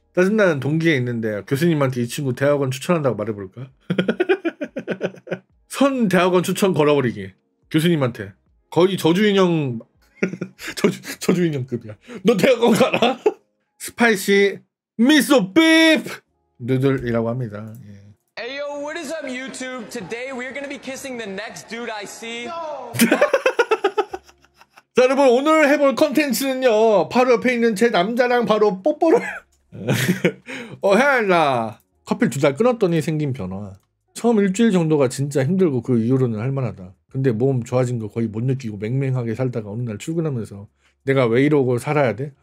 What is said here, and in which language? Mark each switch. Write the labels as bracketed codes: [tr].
[ko] 짜증나는 동기에 있는데 교수님한테 이 친구 대학원 추천한다고 말해볼까? 선 대학원 추천 걸어버리기. 교수님한테. 거의 저주인형. 저주인형급이야. 너 대학원 가라. 스파이시 미소 비프 누들이라고 합니다. 예. [en] Ayo, what is up, YouTube? Today we are going to be kissing the next dude I see. No. [ko] 자, 여러분 오늘 해볼 컨텐츠는요. 바로 옆에 있는 제 남자랑 바로 뽀뽀를. 헤라. 커피 두 달 끊었더니 생긴 변화. 처음 일주일 정도가 진짜 힘들고 그 이후로는 할만하다. 근데 몸 좋아진 거 거의 못 느끼고 맹맹하게 살다가 어느 날 출근하면서 내가 왜 이러고 살아야 돼?